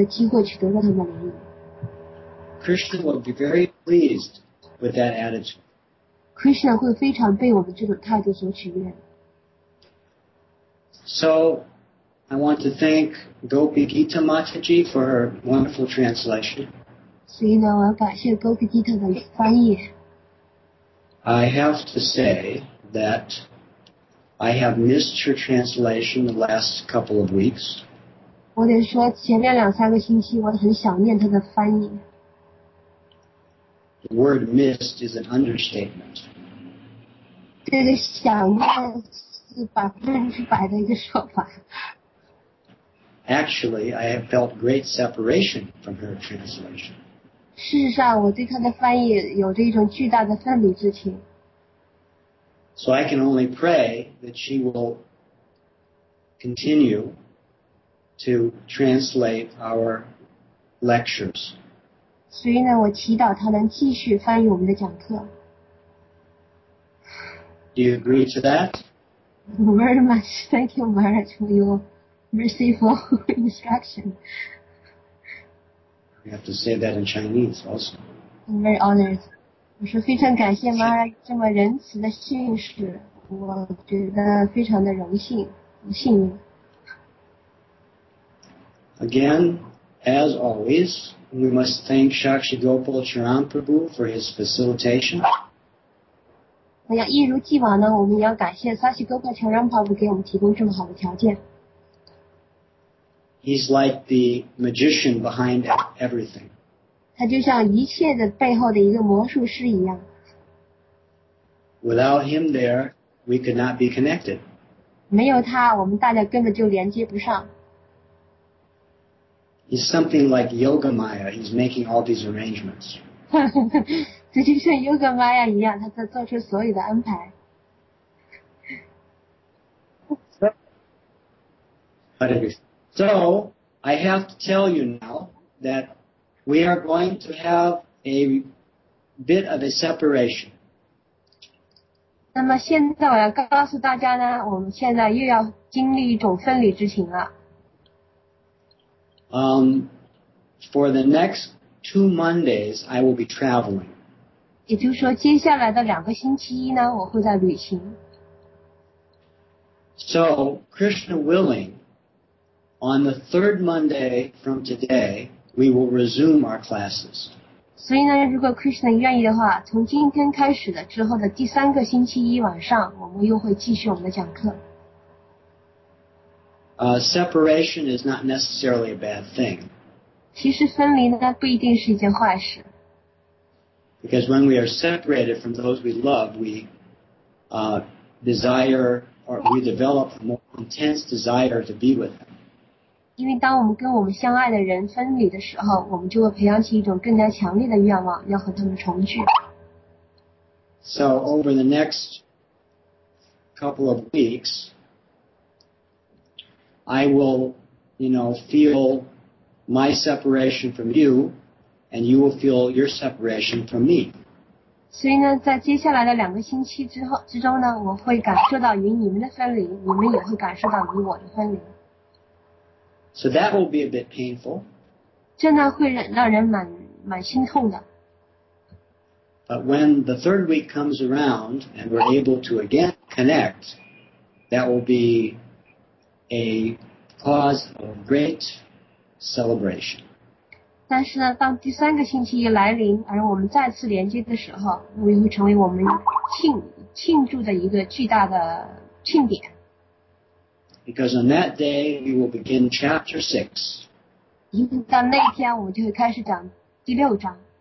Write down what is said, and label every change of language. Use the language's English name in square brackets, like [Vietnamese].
[English] Krishna will be very pleased with that attitude. [Chinese] Krishna 会非常被我们这种态度所取悦。 [English] So, I want to thank Gopi Gita Mataji for her wonderful translation. [Chinese] 所以呢，我要感谢 Gopi Gita 的翻译。 [English] I have to say that I have missed her translation the last couple of weeks. [Chinese] 我得说前面两三个星期我很想念他的翻译。 [English] The word missed is an understatement. [Chinese] 这个想念是100%的一个说法。 [English] Actually, I have felt great separation from her translation. [Chinese] 事实上我对他的翻译有着一种巨大的分离之情。 [English] So I can only pray that she will continue. To translate our lectures. [Chinese] 所以呢，我祈祷他能继续翻译我们的讲课。 [English] Do you agree to that? Very much. Thank you, Maharaj, for your merciful instruction. We have to say that in Chinese also. I'm very honored. [Chinese] 我说非常感谢 Maharaj 这么仁慈的信使，我觉得非常的荣幸，幸运。 [English] Again, as always, we must thank Sakshi Gopal Charan Prabhu for his facilitation. [Chinese] 那要一如既往呢，我们也要感谢 Sakshi Gopal Charan Prabhu 给我们提供这么好的条件。 [English] He's like the magician behind everything. [Chinese] 他就像一切的背后的一个魔术师一样。 [English] Without him there, we could not be connected. [Chinese] 没有他，我们大家根本就连接不上。 [English] He's something like Yoga Maya. He's making all these arrangements. [Chinese] 这就像 Yoga Maya 一样，他在做出所有的安排。 [English] So, I have to tell you now that we are going to have a bit of a separation. [Chinese] 那么现在我要告诉大家呢，我们现在又要经历一种分离之情了。 [English] For the next two Mondays, I will be traveling. [Chinese] 也就是说接下来的两个星期一呢，我会在旅行。 [English] So, Krishna willing,On the third Monday from today, we will resume our classes. [Chinese] 所以呢，如果 Krishna 愿意的话，从今天开始的之后的第三个星期一晚上，我们又会继续我们的讲课。 [English] Separation is not necessarily a bad thing. [Chinese] 其实分离呢，不一定是一件坏事。 [English] Because when we are separated from those we love, we desire or we develop a more intense desire to be with them. [Chinese] 因为当我们跟我们相爱的人分离的时候，我们就会培养起一种更加强烈的愿望，要和他们重聚。 [English] So over the next couple of weeks, I will, you know, feel my separation from you, and you will feel your separation from me. [Chinese] 所以呢，在接下来的两个星期之中呢，我会感受到与你们的分离，你们也会感受到与我的分离。 [English] So that will be a bit painful. [Chinese] 这呢会让人蛮心痛的。 [English] But when the third week comes around and we're able to again connect, that will be a cause of great celebration. [Chinese] 但是呢，当第三个星期一来临，而我们再次连接的时候，也会成为我们庆祝的一个巨大的庆典。 [English] Because on that day, we will begin chapter 6. [Chinese] 到那天我们就会开始讲第六章。